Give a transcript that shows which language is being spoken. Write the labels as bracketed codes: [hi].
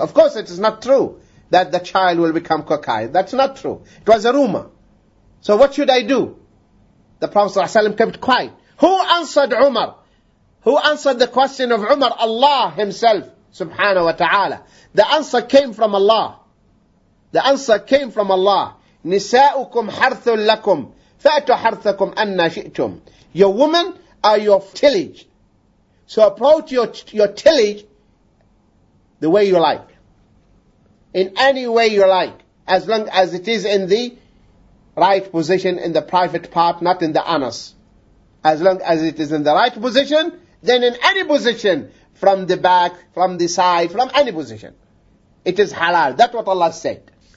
[en] Of course, it is not true that the child will become cockeyed. That's not true. It was a rumor. So what should I do? The Prophet ﷺ kept quiet. Who answered Umar? Who answered the question of Umar? Allah himself, subhanahu wa ta'ala. The answer came from Allah. The answer came from Allah. [ar] نِسَاءُكُمْ حَرْثٌ لَكُمْ فَأَتُوا حَرْثَكُمْ أَنَّا شِئْتُمْ [en] Your women are your tillage. So approach your tillage the way you like. In any way you like. As long as it is in the right position, in the private part, not in the anus. As long as it is in the right position, then in any position, from the back, from the side, from any position. It is halal. That's what Allah said.